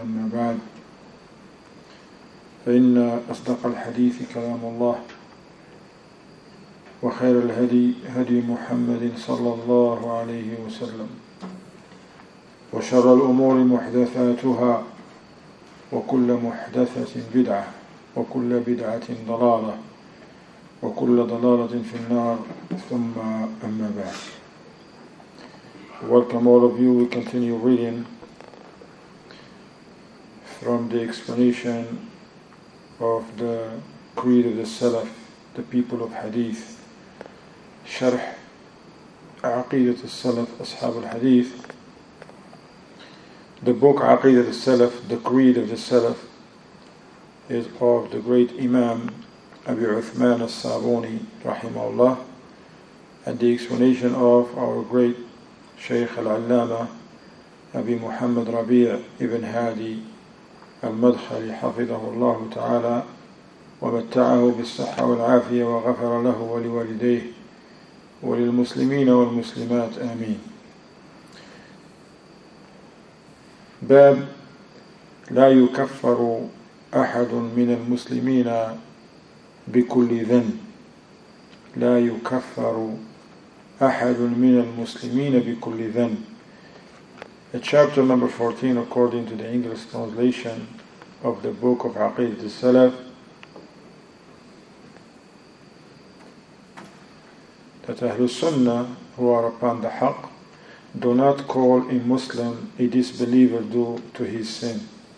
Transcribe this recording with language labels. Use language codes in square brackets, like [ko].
[ar] أما بعد، فإن أصدق الحديث كلام الله، وخير الهدي هدي محمد صلى الله عليه وسلم، وشر الأمور محدثاتها، وكل محدثة بدعة، وكل بدعة ضلالة، وكل ضلالة في النار. ثم أما بعد، [en] Welcome all of you. We continue reading from the explanation of the creed of the Salaf, the people of Hadith. [ar] شرح عقيدة السلف أصحاب الحديث. [en] The book عقيدة السلف, the creed of the Salaf, is of the great Imam Abi Uthman al-Sabuni rahimahullah, and the explanation of our great Shaykh al-Allama Abi Muhammad Rabi' ibn Hadi al-Madkhali [ar] hafidhahu Allah ta'ala wa matta'ahu bis-sihha wal-'afiyah wa ghafara lahu wa liwalidayhi wa lil-muslimina wal-muslimat amin. Bab la yukaffaru ahadun min al-muslimina بكل ذنب. لا يكفر أحد من المسلمين بكل ذنب. [en] Chapter number 14, according to the English translation of the book of عقيدة السلف, that أهل السنة who are upon the حق do not call a Muslim a disbeliever due to his sin.